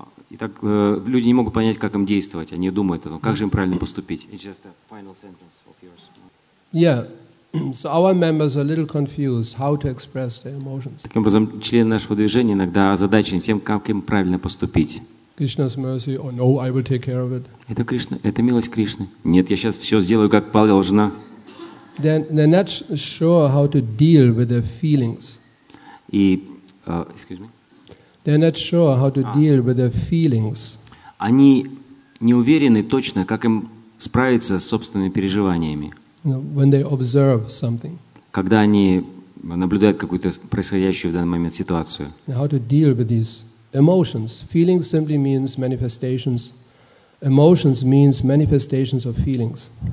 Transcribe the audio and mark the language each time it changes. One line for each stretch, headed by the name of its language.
Russian: Итак, люди не могут понять, как им действовать. Они думают о том, как же им правильно поступить.
English: It's just a final sentence of yours. Yeah. So our members are a little confused how to express their emotions.
Russian: Таким образом, члены нашего движения иногда озадачены тем, как им правильно поступить.
English: Krishna's mercy, or no, I will take care of it.
Russian: Это Кришна, это милость Кришны. Нет, я сейчас все сделаю, как положено.
English: Then they're not sure how to deal with their feelings. И, excuse me. They're not sure how to deal with their feelings.
Russian: Они не уверены точно, как им справиться с собственными переживаниями.
English: When they observe something.
Russian: Когда они наблюдают какую-то происходящую в данный момент ситуацию.
English: How to deal with these emotions? Feeling simply means manifestations. Emotions means manifestations of feelings.